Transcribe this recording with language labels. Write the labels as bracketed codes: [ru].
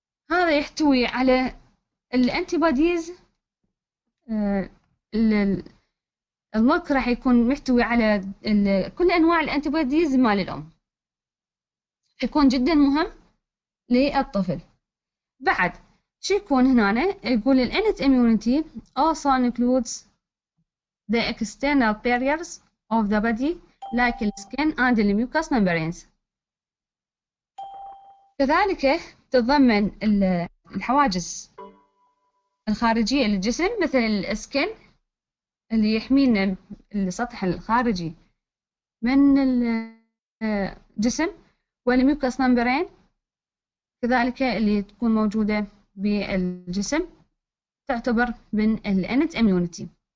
[ar] هذا يحتوي على الانتيبوديز، الملك راح يكون محتوي على كل انواع الانتيبوديز مال الام، يكون جدا مهم للطفل. بعد شو يكون هنا، يقول الانت اميونيتي [en] also includes the external barriers of the body like the skin and the mucous membranes. [ar] كذلك تتضمن الحواجز الخارجية للجسم مثل السكن اللي يحمينا السطح الخارجي من الجسم، والميوكوس ممبرين كذلك اللي تكون موجودة بالجسم تعتبر من الانت اميونيتي.